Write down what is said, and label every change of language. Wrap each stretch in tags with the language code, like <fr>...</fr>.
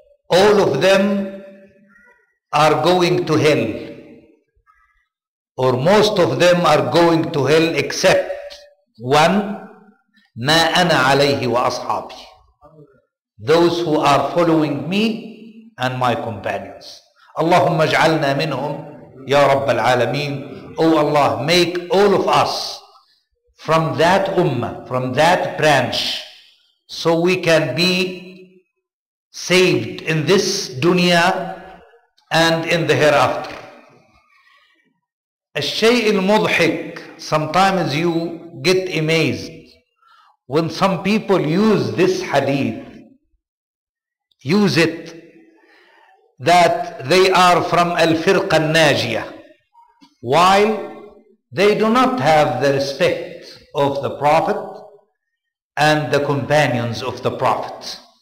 <en>All of them are going to hell, or most of them are going to hell except one, مَا أَنَا عَلَيْهِ وَأَصْحَابِي. Those who are following me and my companions.</en> <ar>اللهم اجعلنا منهم يا رب العالمين.</ar> <en>Oh Allah, make all of us from that ummah, from that branch, so we can be saved in this dunya and in the hereafter. الشيء المضحك, sometimes you get amazed when some people use this hadith, use it that they are from al-firqa al-najiyah, while they do not have the respect of the Prophet and the companions of the Prophet.</en>